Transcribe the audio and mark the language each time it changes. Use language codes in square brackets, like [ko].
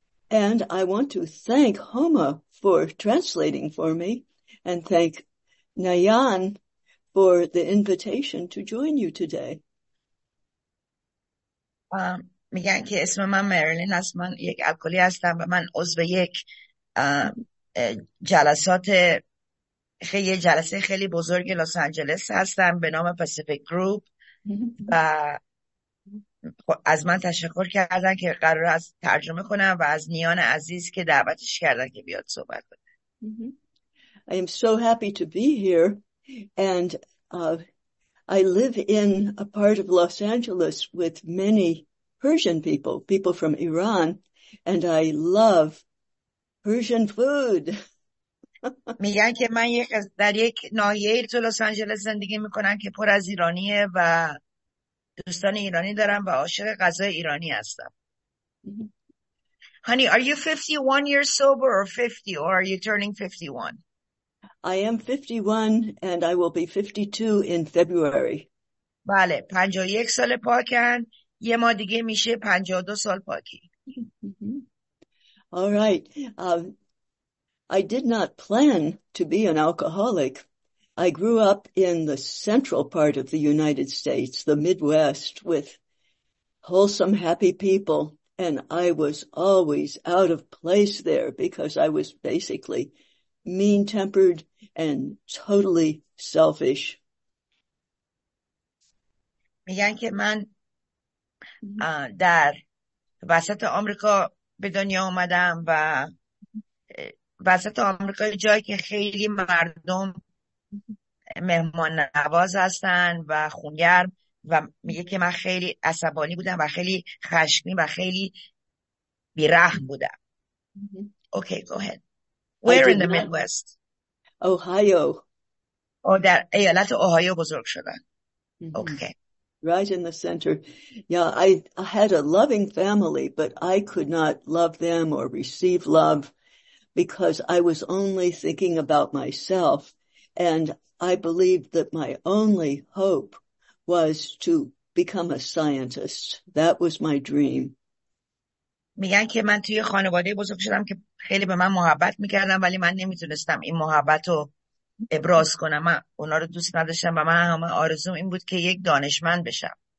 [en] And I want to thank HOMA for translating for me and thank Nayan for the invitation to join you today. [fa] میگن که اسم من مریلین هست، من یک الکلی هستم و من عضو یک جلسات خیلی جلسه خیلی بزرگ لس آنجلس هستم به نام پاسیفیک گروپ و از من تشکر کردن که قرار از ترجمه کنم و از نیان عزیز که دعوتش کردن که بیاد صحبت کنه. [en] I am so happy to be here and I live in a part of Los Angeles with many Persian people from Iran, and I love Persian food. [fa] میگن که من در یک ناحیه تو لس آنجلس زندگی میکنم که پر از ایرانیه و دوستان ایرانی دارم و عاشق غذای ایرانی هستم. [en] Honey, are you 51 years sober or 50 or are you turning 51? I am 51 and I will be 52 in February. [fa] بله، 51 سال پاکن، یه ما دیگه میشه 52 سال پاکی. [en] All right. I did not plan to be an alcoholic. I grew up in the central part of the United States, the Midwest, with wholesome, happy people. And I was always out of place there because I was basically mean-tempered and totally selfish. [fa] میگن که من در وسط آمریکا به دنیا اومدم و وسط آمریکا جایی که خیلی مردم مهمان نواز هستن و خونگرم و میگه که من خیلی عصبانی بودم و خیلی خشمی و خیلی بیرحم بودم. [en] Okay, go ahead. Where in the Midwest? Ohio. [fa] در ایالت اوهایو بزرگ شدن. [en] Okay. Right in the center. Yeah, I had a loving family, but I could not love them or receive love because I was only thinking about myself. And I believed that my only hope was to become a scientist. That was my dream. [fa] میگن که من توی خانواده بزرگ شدم که خیلی به من محبت میکردم ولی من نمیتونستم این محبت رو ابراز کنم. من اونا رو دوست نداشتم و من همه آرزوم این بود که یک دانشمند بشم.